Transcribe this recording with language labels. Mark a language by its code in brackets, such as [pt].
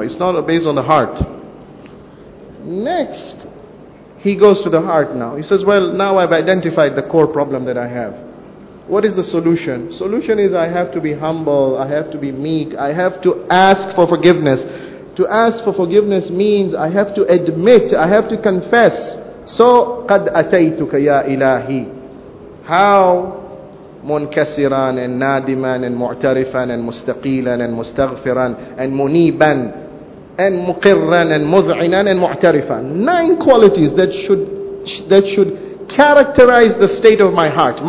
[en] It's not based on the heart. Next, he goes to the heart now. He says, well, now I've identified the core problem that I have. What is the solution? Solution is I have to be humble. I have to be meek. I have to ask for forgiveness. To ask for forgiveness means I have to admit, I have to confess. So, [ar] قَدْ أَتَيْتُكَ يَا إِلَهِ. [en] How munkasiran and nadiman and mu'tarifan and mustaqilan and mustaghfiran and muniban and muqirran and mudh'inan and mu'tarifan. 9 qualities that should characterize the state of my heart.